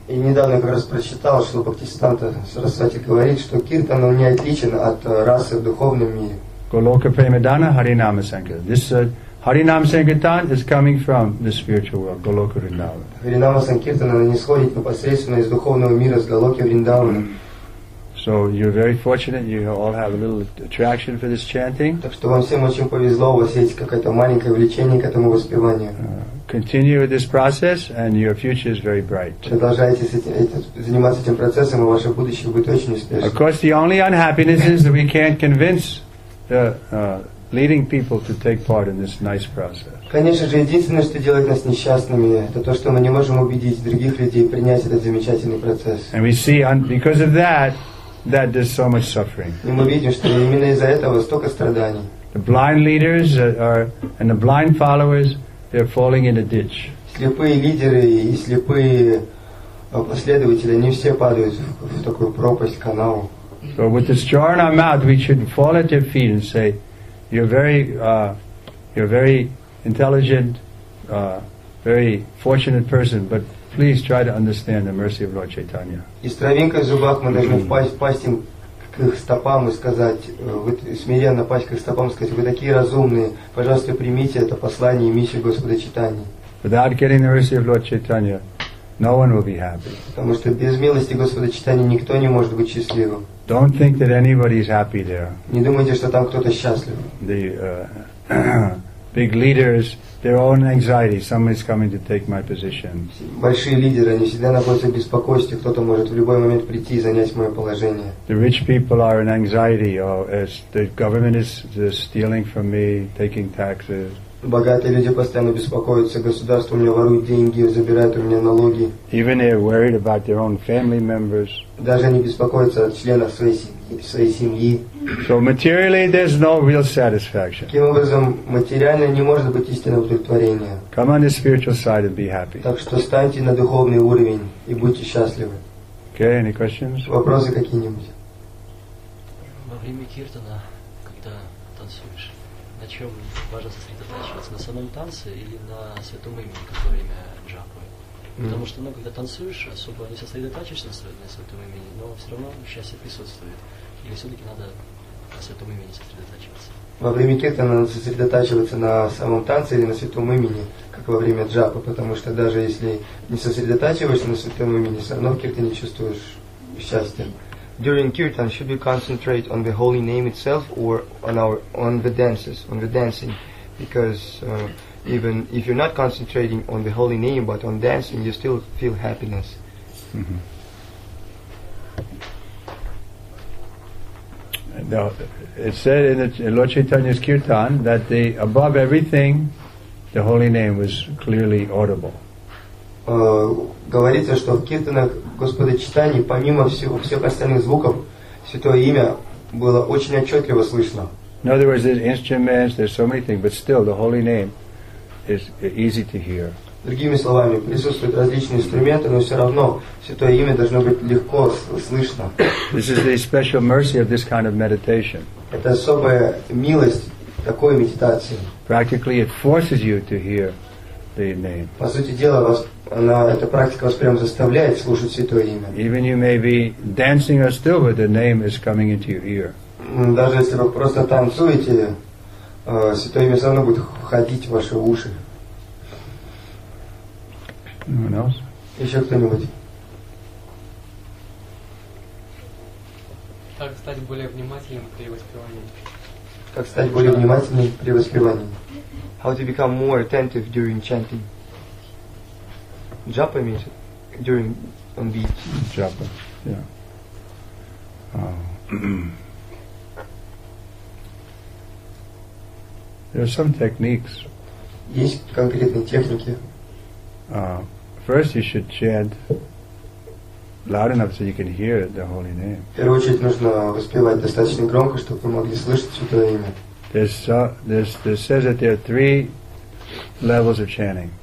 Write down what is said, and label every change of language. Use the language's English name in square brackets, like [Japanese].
[Russian] И недавно как раз прочитал, что Бхактисиддханта Сарасвати говорит, что киртана не отличен от расы в духовном мире. [Bangla] Голока Премадана Харинама Сангитан. [English] This Харинама Сангитан is coming from the spiritual world, Голока Вриндавана. [Russian] Харинама Сангитана не исходит непосредственно из духовного мира, из Голоки Вриндавана. [English] So you're very fortunate, you all have a little attraction for this chanting. [Russian] Так что вам всем очень повезло, у вас есть какое-то маленькое влечение к этому воспеванию. [English] Continue with this process and your future is very bright. [Russian] Продолжайте заниматься этим процессом, и ваше будущее будет очень успешным. [English] Of course, the only unhappiness is that we can't convince the leading people to take part in this nice process. [Russian] Конечно же, единственное, что делает нас несчастными, это то, что мы не можем убедить других людей принять этот замечательный процесс. [English] And we see, because of that, that there's so much suffering. [Russian] И мы видим, что именно из-за этого столько страданий. [English] The blind leaders are, and the blind followers, they're falling in a ditch. [Russian] Слепые лидеры и слепые последователи, они все падают в такую пропасть, канал. [English] So with this jar in our mouth, we should fall at their feet and say, you're very intelligent, very fortunate person, but please try to understand the mercy of Lord Chaitanya. [Russian] И с травинкой в зубах мы должны впасть им к их стопам и сказать, смиренно пасть к их стопам, сказать, вы такие разумные, пожалуйста, примите это послание и миссию Господа Чайтаньи. [English] Without getting the mercy of Lord Chaitanya, no one will be happy. [Russian] Потому что без милости Господа Чайтаньи никто не может быть счастливым. [English] Don't think that anybody is happy there. [Russian] Не думайте, что там кто-то счастлив. [English] The big leaders, their own anxiety, somebody's coming to take my position. [Russian] Большие лидеры, они всегда находятся в беспокойстве, кто-то может в любой момент прийти и занять мое положение. [English] The rich people are in anxiety, or as the government is stealing from me, taking taxes. [Russian] Богатые люди постоянно беспокоятся, государство у меня ворует деньги, забирает у меня налоги. [English] Even they are worried about their own family members. [Russian] Даже они беспокоятся о членах своей семьи. [English] So materially there's no real satisfaction. [Russian] Таким образом, материально не может быть истинного удовлетворения. [English] Come on the spiritual side and be happy. [Russian] Так что встаньте на духовный уровень и будьте счастливы. [English] Okay, any questions? [Russian] Вопросы какие-нибудь? Во время киртана, когда танцуешь, на чем важно сосредотачиваться? На самом танце или на святом имени, как во время джапы? Потому что, когда танцуешь, особо не сосредотачиваешься на святом имени, но все равно счастье присутствует. Или все-таки надо на святом имени сосредотачиваться? Во время киртана надо сосредотачиваться на самом танце или на святом имени, как во время джапы, потому что даже если не сосредотачиваешься на святом имени, все равно в киртане не чувствуешь счастья. [English] During kirtan, should we concentrate on the holy name itself or on the dancing? Because even if you're not concentrating on the holy name but on dancing, you still feel happiness. Now, it said in Lord Chaitanya's kirtan that the above everything, the holy name was clearly audible. [Russian] Говорится, что в киртанах Господа Чайтаньи, помимо всех остальных звуков, Святое Имя было очень отчетливо слышно. [English] In other words, there's instruments, there's so many things, but still, the Holy Name is easy to hear. [Russian] Другими словами, присутствуют различные инструменты, но все равно Святое Имя должно быть легко слышно. [English] This is the special mercy of this kind of meditation. [Russian] Это особая милость такой медитации. [English] Practically, it forces you to hear the name. [Russian] По сути дела, эта практика вас прямо заставляет слушать Святое Имя. [English] Even you may be dancing or still, but the name is coming into your ear. [Russian] Даже если вы просто танцуете, Святое Имя все равно будет входить в ваши уши. [English] Anyone else? [Russian] Еще кто-нибудь? Как стать более внимательным при воспевании? Как стать более внимательным при воспевании? [English] How to become more attentive during chanting? Japa means during on beach. Japa, yeah. There are some techniques. [Russian] Есть конкретные техники. [English] First, you should chant loud enough so you can hear the holy name. [Russian] В первую очередь нужно воспевать достаточно громко, чтобы вы могли слышать Святое Имя. [English] This says that there are three levels of chanting.